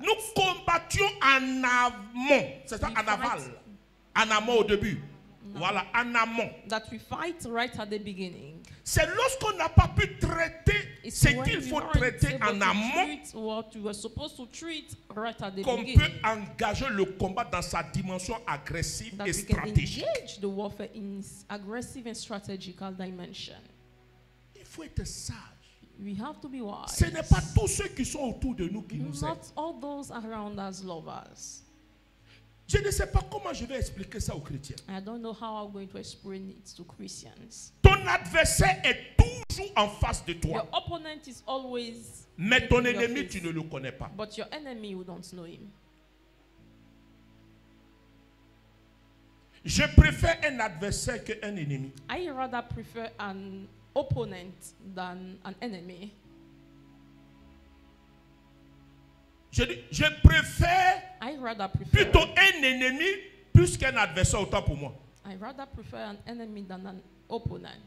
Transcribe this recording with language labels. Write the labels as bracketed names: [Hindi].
[French] Nous combattions en amont, c'est-à-dire en aval, en amont au début. No. Voilà, en amont. [English] That we fight right at the beginning. [French] C'est lorsqu'on n'a pas pu traiter ce qu'il faut traiter en amont qu'on peut engager le combat dans sa dimension agressive et stratégique. [English] Engage the warfare in aggressive and strategical dimension. [French] Il faut être sage. [English] We have to be wise. [French] Ce n'est pas tous ceux qui sont autour de nous qui [English] not [French] nous aiment. [English] All those around us love us. [French] Je ne sais pas comment je vais expliquer ça aux chrétiens. [English] I don't know how I'm going to explain it to Christians. [French] Ton adversaire est toujours en face de toi. [English] Your opponent is always. [French] Mais ton ennemi, tu ne le connais pas. [English] But your enemy, you don't know him. [French] Je préfère un adversaire qu'un ennemi. [English] I rather prefer an opponent than an enemy. [French] Je dis, je préfère [English] I rather prefer [French] plutôt un ennemi plus qu'un adversaire autant pour moi. [English] I rather prefer an enemy than an opponent.